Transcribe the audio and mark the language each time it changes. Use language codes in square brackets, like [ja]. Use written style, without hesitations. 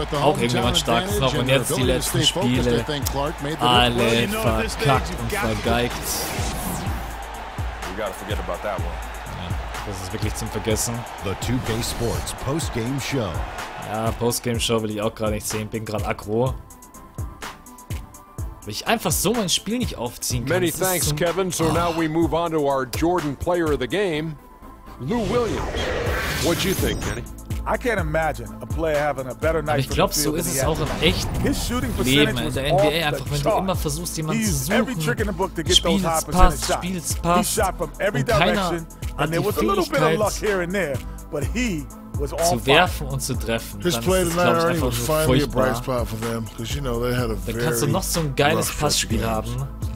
[de] Auch irgendjemand starkes noch. Und jetzt die letzten Spiele. Alle verkackt und vergeigt. Das ist wirklich zum Vergessen. [en] The 2K Sports Postgame Show. [de] Ja, Postgame Show will ich auch gerade nicht sehen. Bin gerade aggro. Weil ich einfach so mein Spiel nicht aufziehen kann. [en] Many thanks, Kevin. So now we move on to our Jordan player of the game, Lou Williams. What do you think, Kenny? I can't imagine a player having a better night. [de] Ich glaube, so ist es auch im echten Leben in der NBA. Einfach, wenn du immer versuchst, jemanden zu suchen, spielst, passt, [en] shot from every direction, and there was a little bit of luck here and there, but he [de] zu werfen und zu treffen. Dann ist es, glaube ich, einfach nur furchtbar. Dann kannst du noch so ein geiles Passspiel haben.